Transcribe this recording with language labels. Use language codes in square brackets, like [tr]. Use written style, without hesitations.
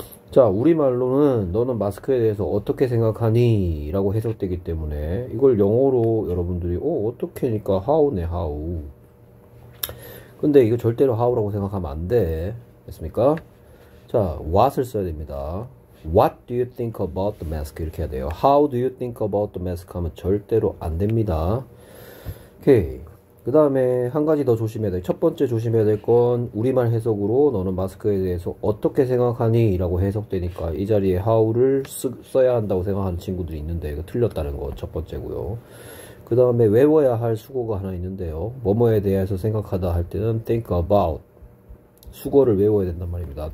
[ko] 자, 우리말로는 너는 마스크에 대해서 어떻게 생각하니? 라고 해석되기 때문에 이걸 영어로 여러분들이 어떻게니까 하우네 하우. 근데 이거 절대로 하우라고 생각하면 안 돼. 됐습니까? 자, what을 써야 됩니다. [en] What do you think about the mask? [ko] 이렇게 해야 돼요. [en] How do you think about the mask? [ko] 하면 절대로 안 됩니다. 오케이. 그 다음에 한 가지 더 조심해야 돼. 첫 번째 조심해야 될건 우리말 해석으로 너는 마스크에 대해서 어떻게 생각하니? 라고 해석되니까 이 자리에 how를 써야 한다고 생각하는 친구들이 있는데 이거 틀렸다는 거첫 번째고요. 그 다음에 외워야 할 수고가 하나 있는데요. 뭐뭐에 대해서 생각하다 할 때는 think about 수거를 외워야 된단 말입니다.